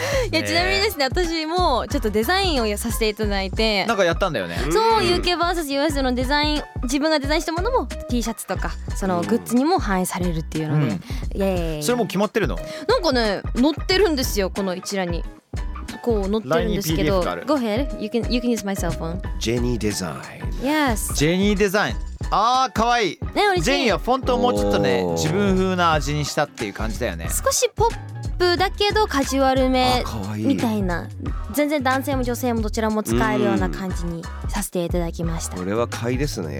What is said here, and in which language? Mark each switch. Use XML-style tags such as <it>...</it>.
<ja>いや、ちなみにですね、私もちょっとデザインをさせていただいて、なんかやったんだよね。そう、UK vs US のデザイン、自分がデザインしたものも T シャツとかそのグッズにも反映されるっていうので、イエーイ。それもう決まってるの？なんかね、載ってるんですよ、この一覧に。こう載ってるんですけど、</ja> <en>Go ahead, you can use my cell phone. Jenny Design. Yes.</en> <ja>Jenny Design. あー、かわいい、ね、ジェニーはフォントをもうちょっとね自分風な味にしたっていう感じだよね。少しポップだけどカジュアルめみたいな、全然男性も女性もどちらも使えるような感じにさせていただきました。これは買いですね。</ja>